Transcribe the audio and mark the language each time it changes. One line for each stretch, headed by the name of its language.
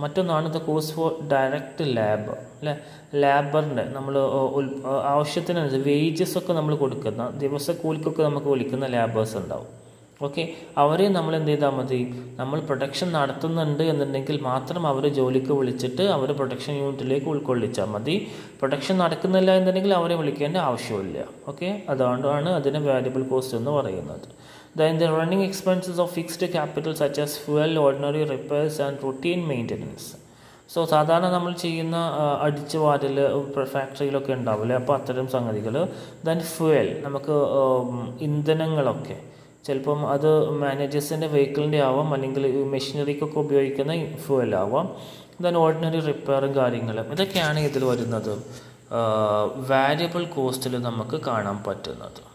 Malayalam: മറ്റൊന്നാണ് ഇത് cost for direct lab അല്ലെ ലേബറിൻ്റെ നമ്മൾ ആവശ്യത്തിനനുസരിച്ച് വേജസ് ഒക്കെ നമ്മൾ കൊടുക്കുന്ന ദിവസ കൂലിക്കൊക്കെ നമുക്ക് വിളിക്കുന്ന ലേബേഴ്സ് ഉണ്ടാവും. ഓക്കെ, അവരെ നമ്മൾ എന്ത് ചെയ്താൽ മതി, നമ്മൾ പ്രൊട്ടക്ഷൻ നടത്തുന്നുണ്ട് എന്നുണ്ടെങ്കിൽ മാത്രം അവരെ ജോലിക്ക് വിളിച്ചിട്ട് അവരെ പ്രൊട്ടക്ഷൻ യൂണിറ്റിലേക്ക് ഉൾക്കൊള്ളിച്ചാൽ മതി. പ്രൊട്ടക്ഷൻ നടക്കുന്നില്ല എന്നുണ്ടെങ്കിൽ അവരെ വിളിക്കേണ്ട ആവശ്യമില്ല. ഓക്കെ, അതുകൊണ്ടാണ് അതിന് വാരിയബിൾ കോസ്റ്റ് എന്ന് പറയുന്നത്.
English: Then the running expenses of fixed capital such as fuel, ordinary repairs and routine maintenance.
Malayalam: So സാധാരണ നമ്മൾ ചെയ്യുന്ന അടിച്ച് വാരിൽ ഫാക്ടറിയിലൊക്കെ ഉണ്ടാവില്ലേ, അപ്പോൾ അത്തരം സംഗതികൾ. ദൻ ഫ്യുവൽ നമുക്ക് ഇന്ധനങ്ങളൊക്കെ ചിലപ്പം അത് മാനേജേഴ്സിൻ്റെ വെഹിക്കിളിൻ്റെ ആവാം അല്ലെങ്കിൽ മെഷീനറിക്കൊക്കെ ഉപയോഗിക്കുന്ന ഫ്യുവൽ ആവാം. ദൻ ഓർഡിനറി റിപ്പയറും കാര്യങ്ങളും ഇതൊക്കെയാണ് ഇതിൽ വരുന്നത് വാരിയബിൾ കോസ്റ്റിൽ നമുക്ക് കാണാൻ പറ്റുന്നത്.